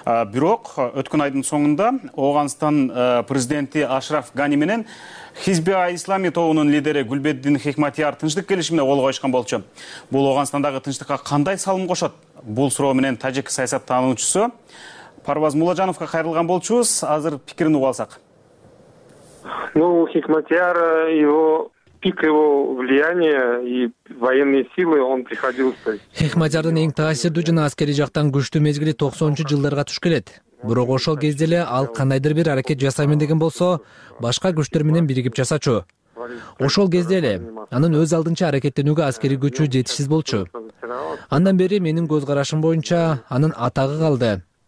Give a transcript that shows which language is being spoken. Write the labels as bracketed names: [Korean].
[Kyrgyz] Бирок өткөн айдын соңунда Ооганстан президенти Ашраф Гани менен Хизби Ислами тобунун лидери Гүлбеддин Хикматияр тынчтык келишимине кол коюшкан болчу. Бул Оогандагы тынчтыкка кандай салым кошот? Бул суроо менен тажик саясат таануучусу Парваз Муллажановго кайрылган болчубуз. Азыр пикирин угуп алсак. [Russian] Ну, Хикматияр, его пик, его влияние и военные силы он приходился. [Kyrgyz] Хикматиярдын эң таасирдүү жана аскерий жактан күчтүү мезгили 90-жылдарга туш келет. Бирок ошол кезде эле ал кандайдыр бир аракет жасаймын деген болсо, башка күчтөр менен биригип жасачу. Ошол кезде эле анын өз алдынча аракеттенүүгө аскерий күчү жетишсиз болчу. Андан бери менин көз карашым боюнча анын атагы калды.